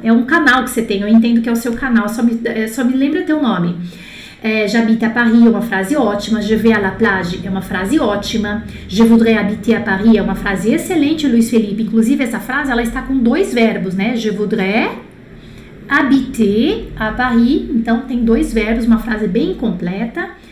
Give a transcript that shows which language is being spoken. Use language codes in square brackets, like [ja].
[pt] É um canal que você tem, eu entendo que é o seu canal, só me lembra teu nome. [fr] J'habite à Paris [pt] é uma frase ótima. [fr] Je vais à la plage [pt] é uma frase ótima. [fr] Je voudrais habiter à Paris [pt] é uma frase excelente, Luiz Felipe. Inclusive, essa frase ela está com dois verbos, né? [fr] Je voudrais habiter à Paris. [pt] Então, tem dois verbos, uma frase bem completa.